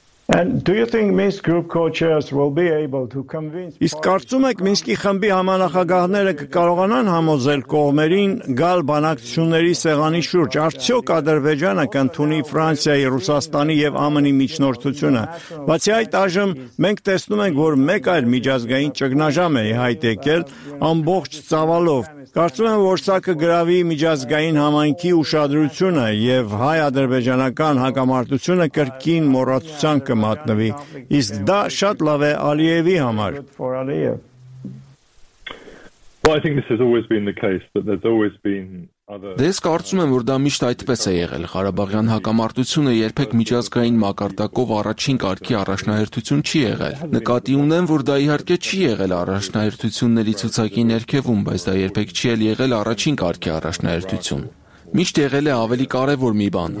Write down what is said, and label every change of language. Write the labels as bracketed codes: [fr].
[en] And do you think Minsk group co-chairs will be able to convince [hy] Իսկ կարծում եք Մինսկի խմբի համանախագահները կկարողանան համոզել կողմերին գալ բանակցությունների սեղանի շուրջ, արդյոք Ադրբեջանը կընդունի Ֆրանսիայի, Ռուսաստանի եւ ԱՄՆ-ի միջնորդությունը։ Բացի այդ, այժմ մենք տեսնում ենք, որ մեկ այլ միջազգային ճգնաժամ է հայտեկել ամբողջ ծավալով։ Կարծում եմ, որ սա կգրավի միջազգային համայնքի ուշադրությունը եւ հայ-ադրբեջանական հակամարտությունը կրկին մոռացության կմատնվի, իսկ դա շատ լավ է Ալիևի համար։ [en] Well, I think this has always been the case, that there's always been [hy] Ես կարծում եմ, որ դա միշտ այդպես է եղել։ Ղարաբաղյան հակամարտությունը երբեք միջազգային մակարդակով առաջին կարգի առաջնահերթություն չի եղել։ Նկատի ունեմ, որ դա իհարկե չի եղել առաջնահերթությունների ցուցակի ներքևում, բայց դա երբեք չի էլ եղել առաջին կարգի առաջնահերթություն։ Միշտ եղել է ավելի կարևոր մի բան.